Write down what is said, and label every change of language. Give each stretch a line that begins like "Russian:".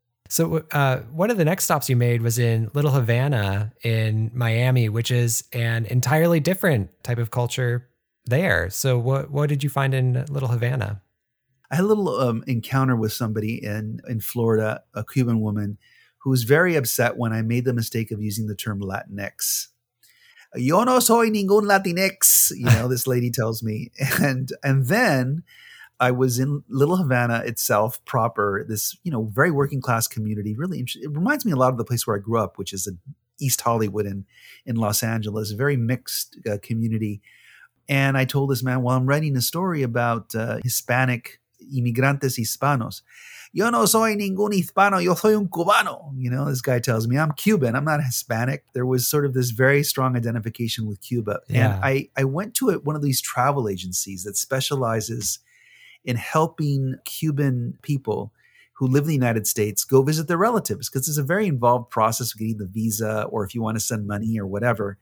English: So one of the next stops you made was in Little Havana in Miami, which is an entirely different type of culture there. So what did you find in Little Havana? I had a little encounter with somebody in Florida, a Cuban woman, who was very upset when I made the mistake of using the term Latinx.
Spanish: Yo no soy ningún Latinx,
English: this lady tells me. And then I was in Little Havana itself proper, this, very working class community. Really interesting. It reminds me a lot of the place where I grew up, which is East Hollywood in Los Angeles, a very mixed community. And I told this man, well, I'm writing a story about Hispanic
Spanish: immigrantes hispanos. Yo no soy ningún hispano, yo soy un cubano.
English: This guy tells me, I'm Cuban, I'm not Hispanic. There was sort of this very strong identification with Cuba. Yeah. And I went to one of these travel agencies that specializes in helping Cuban people who live in the United States go visit their relatives, because it's a very involved process of getting the visa or if you want to send money or whatever.